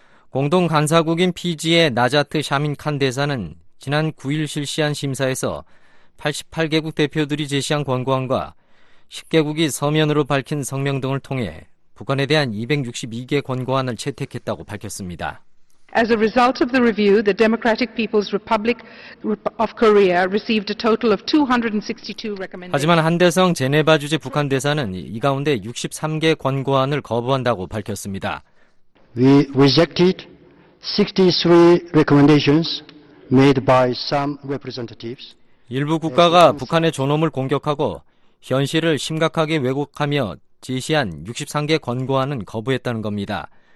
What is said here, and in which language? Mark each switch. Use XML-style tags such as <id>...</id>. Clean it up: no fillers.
<ko>공동 간사국인 피지의 나자트 샤민 칸 대사는 지난 9일 실시한 심사에서 88개국 대표들이 제시한 권고안과 10개국이 서면으로 밝힌 성명 등을 통해 북한에 대한 262개 권고안을 채택했다고 밝혔습니다.</ko> <en>As a result of the review, the Democratic People's Republic of Korea received a total of 262 recommendations.</en> <ko>하지만 한대성 제네바 주재 북한 대사는 이 가운데 63개 권고안을 거부한다고 밝혔습니다.</ko> <en>We rejected 63 recommendations made by some representatives.</en> <ko>일부 국가가 북한의 존엄을 공격하고 현실을 심각하게 왜곡하며 제시한 63개 권고안은 거부했다는 겁니다.</ko>